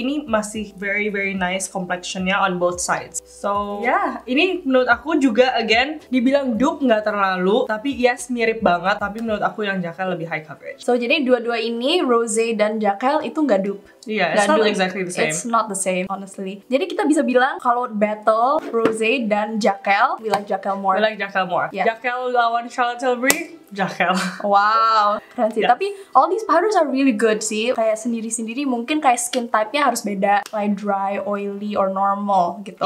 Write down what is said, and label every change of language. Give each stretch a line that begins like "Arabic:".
Indonesian: Ini masih
English: very very nice complexion-nya on both sides. So yeah,
Indonesian: ini menurut aku juga again dibilang dupe nggak terlalu, tapi yes mirip banget, tapi menurut aku yang Jaquelle lebih high coverage. So jadi dua-dua ini ini Rose dan Jaquel itu nggak dupe.
English: Yeah, it's not exactly the same. It's not the same, honestly.
Indonesian: Jadi kita bisa bilang kalau battle Rose dan Jaquel,
English: we like Jaquel more. We like Jaquel more. Yeah. Jaquel lawan Charlotte Tilbury, Jaquel.
Indonesian: Wow, keren sih. Yeah.
English: Tapi all these powders are really good sih.
Indonesian: Kayak sendiri-sendiri mungkin kayak skin type-nya harus beda.
English: Like dry, oily, or normal
Indonesian: gitu.